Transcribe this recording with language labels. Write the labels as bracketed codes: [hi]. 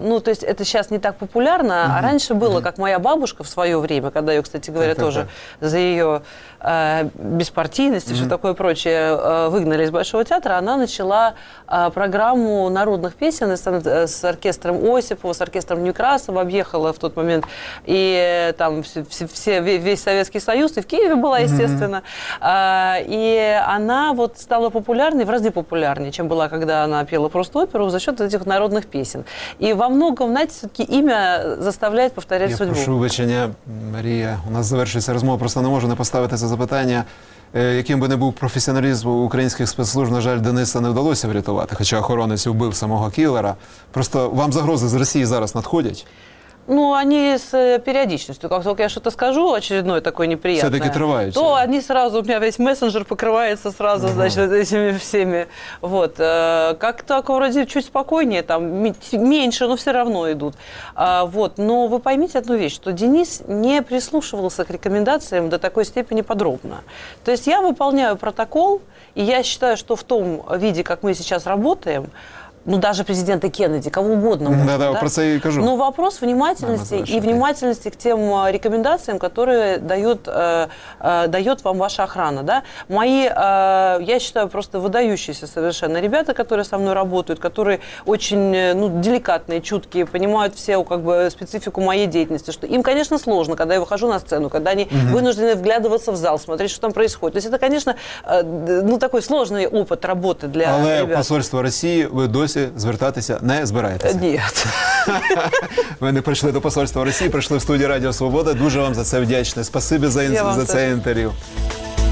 [ru] Ну, то есть это сейчас не так популярно, а раньше было, как моя бабушка в свое время, когда ее, кстати говоря, тоже за ее беспартийность и все такое прочее выгнали из Большого театра, она начала программу народных песен с оркестром Осипова, с оркестром там Некрасова, объехала в тот момент и там весь Советский Союз, и в Киеве была, естественно. И она вот стала популярной, в разы популярнее, чем была, когда она пела просто оперу, за счет этих народных песен. И во многом, знаете, все-таки имя заставляет повторять я судьбу. [uk] Я прошу вибачення, Марія, у нас завершується розмова, просто не можу не поставити це запитання. Яким би не був професіоналізм українських спецслужб, на жаль, Дениса не вдалося врятувати, хоча охоронець вбив самого кілера. Просто вам загрози з Росії зараз надходять? [ru] Ну, они с периодичностью. Как только я что-то скажу, очередное такое неприятное. Все-таки трываются. То они сразу, у меня весь мессенджер покрывается сразу, значит, этими всеми. Вот. Как так, вроде, чуть спокойнее, там, меньше, но все равно идут. Вот. Но вы поймите одну вещь, что Денис не прислушивался к рекомендациям до такой степени подробно. То есть я выполняю протокол, и я считаю, что в том виде, как мы сейчас работаем, ну, даже президента Кеннеди, кого угодно. Да, да, про это я и кажу. Но вопрос внимательности и внимательности к тем рекомендациям, которые дает вам ваша охрана. Да? Мои, я считаю, просто выдающиеся совершенно ребята, которые со мной работают, которые очень деликатные, чуткие, понимают все как бы специфику моей деятельности. Что им, конечно, сложно, когда я выхожу на сцену, когда они вынуждены вглядываться в зал, смотреть, что там происходит. То есть это, конечно, такой сложный опыт работы для ребят. Но посольство России вы до сих пор [uk] досі звертатися не збираєтеся? Ні. Ви не прийшли до посольства Росії, прийшли в студію Радіо Свобода. Дуже вам за це вдячний. Спасибі за це інтерв'ю.